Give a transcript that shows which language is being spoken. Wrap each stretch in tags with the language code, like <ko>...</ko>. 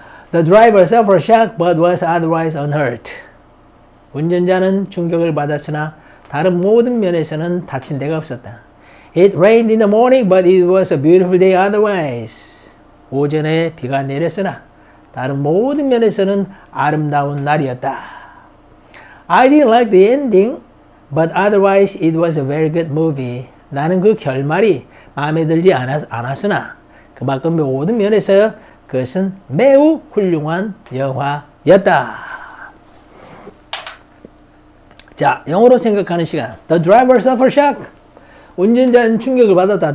<en>The driver suffered shock but was otherwise unhurt.</en> <ko>운전자는 충격을 받았으나 다른 모든 면에서는 다친 데가 없었다.</ko> <en>It rained in the morning, but it was a beautiful day otherwise.</en> <ko>오전에 비가 내렸으나 다른 모든 면에서는 아름다운 날이었다.</ko> <en>I didn't like the ending, but otherwise it was a very good movie.</en> <ko>나는 그 결말이 마음에 들지 않았으나 그 밖의 모든 면에서 그것은 매우 훌륭한 영화였다. 자, 영어로 생각하는 시간.</ko> <en>The driver suffered shock.</en> <ko>운전자는 충격을 받았다.</ko>